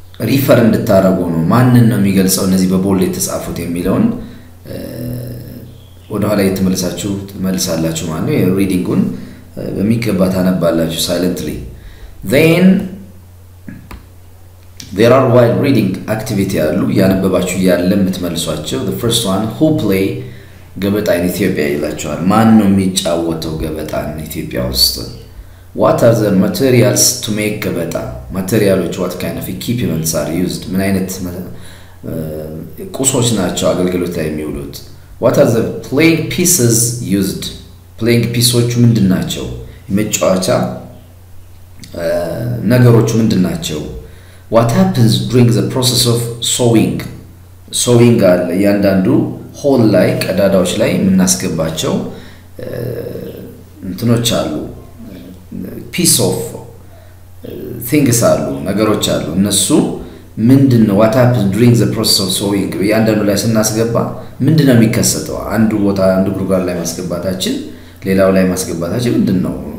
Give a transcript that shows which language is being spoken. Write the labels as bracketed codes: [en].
[am] ሪፈር እንድታረጉ ነው ማንን ነው የሚገልጸው እነዚህ በቦል የተጻፉት የሚለውን ወደ ኋላ የተመለሳችሁ ተመልሳላችሁ ማለት ነው የሪዲንጉን በሚገባ ታነባላችሁ ሳይለንትሊ [en] then there are while reading activity [am] አሉ ያነበባችሁ ያለ የምትመልሷቸው [en] the first one who play [am] ገበጣ in Ethiopia ይላችኋል ማን ነው የሚጫወተው ገበጣ in Ethiopia ውስጥ [en] What are the materials to make gabeta? Material which what kind of equipments are used? [am] ምን አይነት ቁሶች ናቸው አገልግሎት ላይ የሚውሉት? [en] What are the playing pieces used? Playing pieces [am] ምንድን ናቸው? የመጫወቻ ነገሮች ምንድን ናቸው? [en] What happens during the process of sewing? [am] Sewing አለ ያንዳንዱ hole ላይ ቀዳዳዎች ላይ የምናስገባቸው እንትኖች አሉ [en] piece of things [am] አሉ ነገሮች አሉ እነሱ ምንድነው [en] what happens during the process of sewing [am] ያንደሉ ላይ ስናስገባ ምንድነው የሚከሰተው አንዱ ቦታ አንዱ ጉርጓር ላይ ማስገባታችን ሌላው ላይ ማስገባታችን ምንድነው